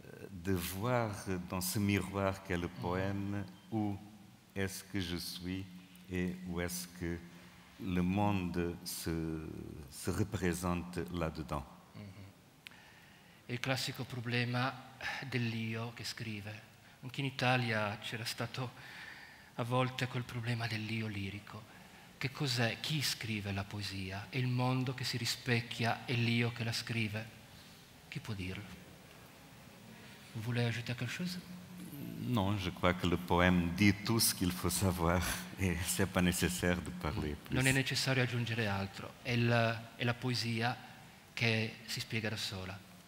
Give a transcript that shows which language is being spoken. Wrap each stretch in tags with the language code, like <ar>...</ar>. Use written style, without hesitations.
<fr>de voir dans ce miroir qu'est le poème où est-ce que je suis et où est-ce que le monde se représente là-dedans.</fr> <it>Il classico problema dell'io che scrive. Anche in Italia c'era stato a volte quel problema dell'io lirico. Che cos'è? Chi scrive la poesia? È il mondo che si rispecchia e l'io che la scrive? Chi può dirlo?</it> <fr>Vous voulez ajouter quelque chose? Non, je crois que le poème dit tout ce qu'il faut savoir et c'est pas nécessaire de parler plus.</fr> <it>Non è necessario aggiungere altro. È la poesia che si spiega da sola.</it>